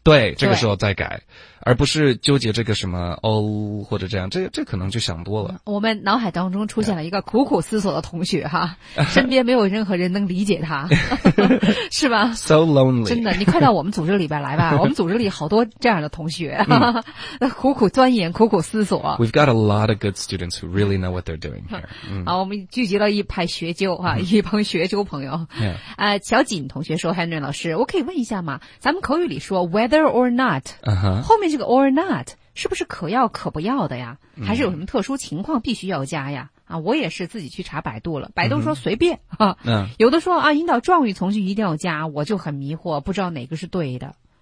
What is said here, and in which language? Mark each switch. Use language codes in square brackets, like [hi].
[zh] 对，这个时候再改，而不是纠结这个什么 O 或者这样，这可能就想多了。我们脑海当中出现了一个苦苦思索的同学哈，身边没有任何人能理解他，是吧 [en] ？So lonely， [zh] 真的，你快到我们组织里边来吧，我们组织里好多这样的同学，苦苦钻研，苦苦思索。 [en] We've got a lot of good students who really know what they're doing here。 [zh] 好，我们聚集了一派学究哈，一帮学究朋友。小锦同学说 ，Henry 老师，我可以问一下吗？咱们口语里说 whether or not， 后面这个 or not 是不是可要可不要的呀？还是有什么特殊情况必须要加呀？啊，我也是自己去查百度了，百度说随便啊，有的说啊引导状语从句一定要加，我就很迷惑，不知道哪个是对的。